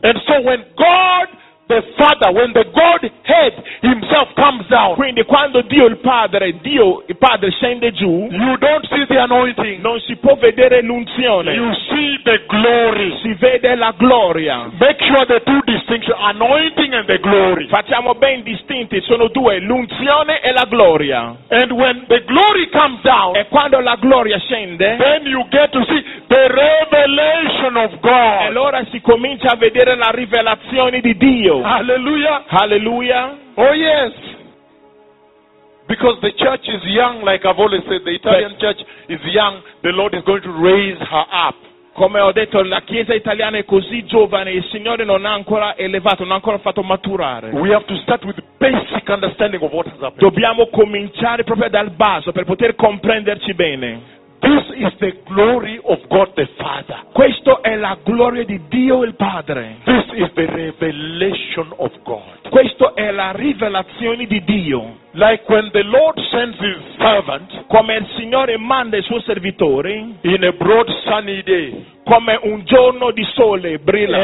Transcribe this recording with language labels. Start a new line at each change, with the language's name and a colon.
English: And so when God the Father, when the Godhead himself comes down,
Italian: quindi quando Dio il Padre scende giù,
English: you don't see the anointing.
Italian: Non si può vedere l'unzione.
English: You see the glory.
Italian: Si vede la gloria.
English: Make sure the two distinctions, anointing and the glory.
Italian: Facciamo ben distinti, sono due, l'unzione e la gloria.
English: And when the glory comes down,
Italian: e quando la gloria scende,
English: then you get to see the revelation of God.
Italian: E allora si comincia a vedere la rivelazione di Dio. Hallelujah. Hallelujah.
English: Oh yes. Because the church is young, like I've always said, the Italian church is young, the Lord is going to raise her up.
Italian: Come ho detto, la chiesa italiana è così giovane, il Signore non ha ancora elevato, non ha ancora fatto maturare.
English: We have to start with basic understanding of what has happened.
Italian: Dobbiamo cominciare proprio dal basso per poter comprenderci bene.
English: This is the glory of God the Father.
Italian: Questo è la gloria di Dio il Padre.
English: This is the revelation of God.
Italian: Questo è la rivelazione di Dio.
English: Like when the Lord sends his servant,
Italian: come il Signore manda il suo servitore,
English: in a broad sunny day,
Italian: come un giorno di sole brilla,